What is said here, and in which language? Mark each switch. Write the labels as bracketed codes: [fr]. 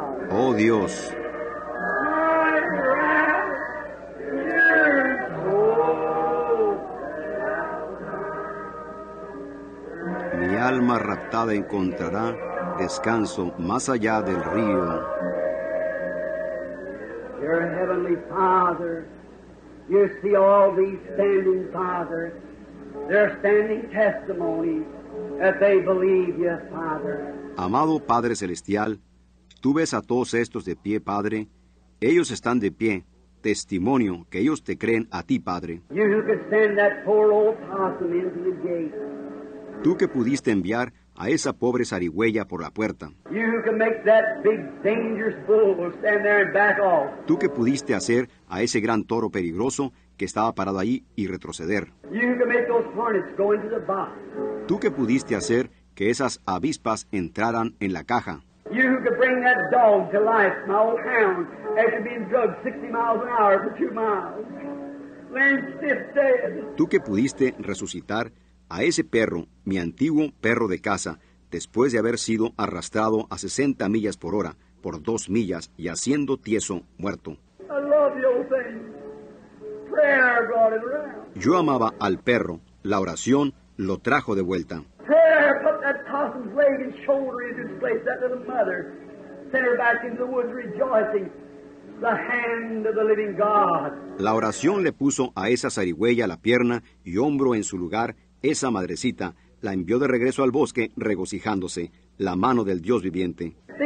[es] Oh Dios. Mi alma raptada encontrará descanso más allá del río. [en] Your heavenly Father, you see all these standing, Father. They're standing testimony that they believe you, Father. [es] Amado Padre Celestial, tú ves a todos estos de pie, Padre. Ellos están de pie, testimonio que ellos te creen a ti, Padre. [en] You who could send that poor old possum into the gate. [es] Tú que pudiste enviar a esa pobre zarigüeya por la puerta. [en] You who can make that big dangerous bull stand there and back off. [es] Tú que pudiste hacer a ese gran toro peligroso que estaba parado ahí y retroceder. [en] You who can make those hornets go into the box. [es] Tú que pudiste hacer que esas avispas entraran en la caja. [en] You who can bring that dog to life, my old hound, after being drugged 60 miles an hour for 2 miles. Laying stiff dead. [es] Tú que pudiste resucitar a ese perro, mi antiguo perro de casa, después de haber sido arrastrado a 60 millas por hora, por 2 millas, y haciendo tieso, muerto. [en] I love the old thing. Prayer brought it around. [es] Yo amaba al perro. La oración lo trajo de vuelta. [en] Prayer put that possum's leg and shoulder in its place, that little mother. Sent her back into the woods rejoicing. The hand of the living God. [es] La oración le puso a esa zarigüeya la pierna y hombro en su lugar. Esa madrecita la envió de regreso al bosque regocijándose, la mano del Dios viviente.